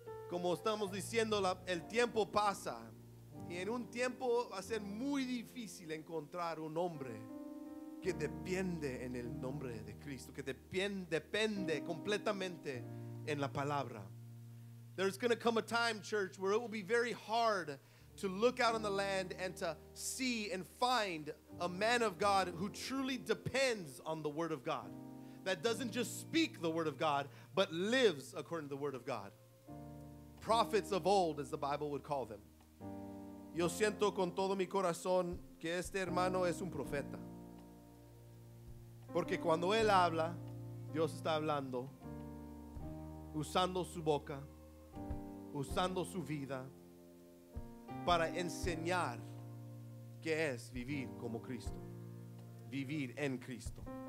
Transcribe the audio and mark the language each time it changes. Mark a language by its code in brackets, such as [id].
[es] Como estamos diciendo, el tiempo pasa, y en un tiempo va a ser muy difícil encontrar un hombre que depende en el nombre de Cristo, que depende completamente en la palabra. [en] There's going to come a time, church, where it will be very hard to look out on the land and to see and find a man of God who truly depends on the word of God, that doesn't just speak the word of God, but lives according to the word of God. Prophets of old, as the Bible would call them. [es] Yo siento con todo mi corazón que este hermano es un profeta. Porque cuando él habla, Dios está hablando, usando su boca, usando su vida para enseñar qué es vivir como Cristo, vivir en Cristo.